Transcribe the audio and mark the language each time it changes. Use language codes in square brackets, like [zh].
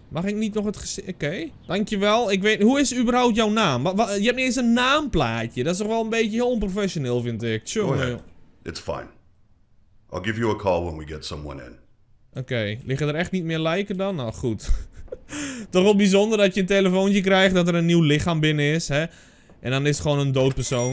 [nl] Mag ik niet nog het gezicht? Oké. Okay. Dankjewel. Ik weet. Hoe is überhaupt jouw naam? Je hebt niet eens een naamplaatje. Dat is toch wel een beetje heel onprofessioneel, vind ik. Tjonge. [en] It's fine. I'll give you a call when we get someone in. [nl] Oké. Okay. Liggen er echt niet meer lijken dan? Nou, goed. Toch wel bijzonder dat je een telefoontje krijgt dat er een nieuw lichaam binnen is, hè? En dan is het gewoon een dood persoon.